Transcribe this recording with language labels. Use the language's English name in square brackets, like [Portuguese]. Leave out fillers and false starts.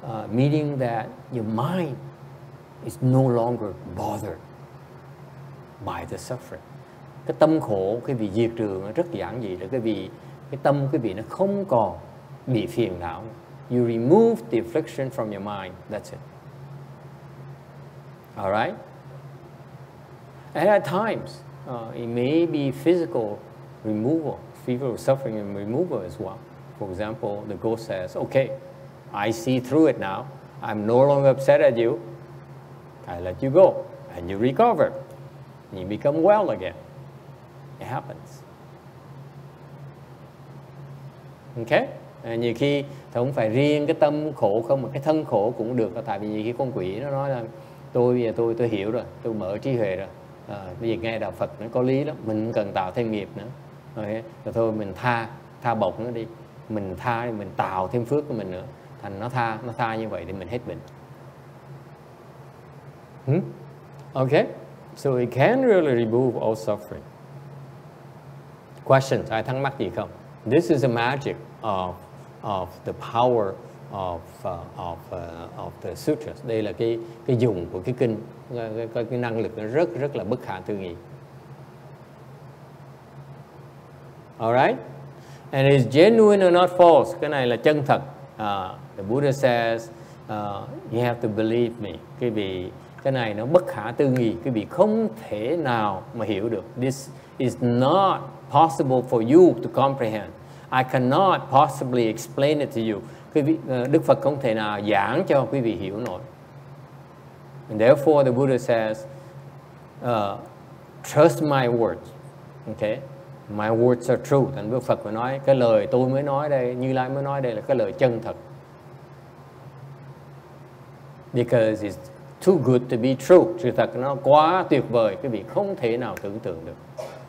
[English] Meaning that your mind is no longer bothered by the suffering. [Vietnamese] Cái tâm khổ quý vị diệt trừ nó rất giản dị là quý vị cái tâm quý vị nó không còn bị phiền não. [English] You remove the affliction from your mind. That's it. All right? And at times, it may be physical removal, fever of suffering and removal as well. For example, the ghost says, okay, I see through it now. I'm no longer upset at you. I let you go. And you recover. And you become well again. It happens. Okay? [Vietnamese] And nhiều khi, thì không phải riêng cái tâm khổ không, mà cái thân khổ cũng được. Tại vì nhiều khi con quỷ nó nói là, tôi hiểu rồi, tôi mở trí huệ rồi. Bây giờ nghe đạo Phật nó có lý lắm, mình không cần tạo thêm nghiệp nữa. Rồi thôi mình tha bọc nó đi, mình tha đi, mình tạo thêm phước của mình nữa, thành nó tha như vậy thì mình hết bệnh. [English] Okay, so it can really remove all suffering. Questions? [Vietnamese] Ai thắc mắc gì không? [English] This is the magic of the power of the sutras. [Vietnamese] Đây là cái dùng của cái kinh. Cái năng lực nó rất rất là bất khả tư nghị. [English] Alright? And is genuine or not false? [Vietnamese] Cái này là chân thật. [English] The Buddha says, you have to believe me. [Vietnamese] Cái này nó bất khả tư nghị. Quý vị không thể nào mà hiểu được. [English] This is not possible for you to comprehend. I cannot possibly explain it to you. [Vietnamese] Đức Phật không thể nào giảng cho quý vị hiểu nổi. [English] And therefore, the Buddha says, trust my words. Okay? My words are true. [Vietnamese] Thành Đức Phật mới nói, cái lời tôi mới nói đây, Như Lai mới nói đây là cái lời chân thật. [English] Because it's too good to be true. [Vietnamese] Sự thật nó quá tuyệt vời, quý vị không thể nào tưởng tượng được.